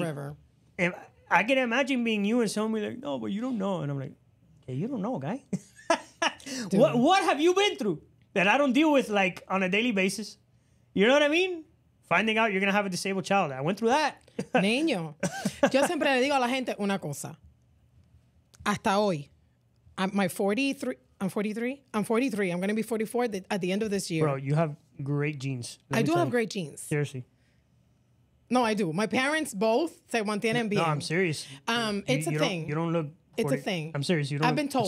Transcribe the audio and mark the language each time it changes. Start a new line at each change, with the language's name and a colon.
English: I can imagine being you and someone like, no, but you don't know. And I'm like, yeah, you don't know, guy. What have you been through that I don't deal with, like, on a daily basis? You know what I mean? Finding out you're going to have a disabled child. I went through that.
Spanish: Niño. Yo siempre le digo a la gente una cosa. Hasta hoy.
English: I'm 43. I'm going to be 44 at the end of this year. Bro, you have great genes. I do have great genes. Seriously. No, I do. My parents both
Spanish: se mantienen bien.
English: No, I'm serious. It's a thing. You don't look... 40. It's a thing. I'm serious. You don't I've been told.